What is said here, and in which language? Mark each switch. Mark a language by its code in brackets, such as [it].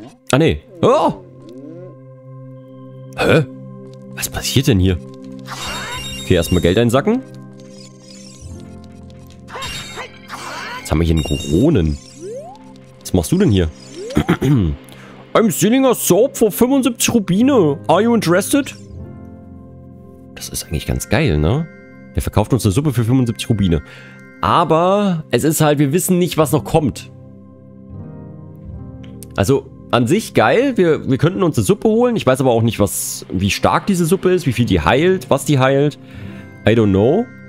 [de] Ah, ne. Oh! Hä? Was passiert denn hier? Okay, erstmal Geld einsacken. Jetzt haben wir hier einen Kronen. Was machst du denn hier? [en] I'm selling a soap for 75 Rubine. Are you interested? [de] Das ist eigentlich ganz geil, ne? Der verkauft uns eine Suppe für 75 Rubine. Aber es ist halt, wir wissen nicht, was noch kommt. Also an sich geil. Wir könnten uns eine Suppe holen. Ich weiß aber auch nicht, was, wie stark diese Suppe ist, wie viel die heilt, was die heilt. [en] I don't know.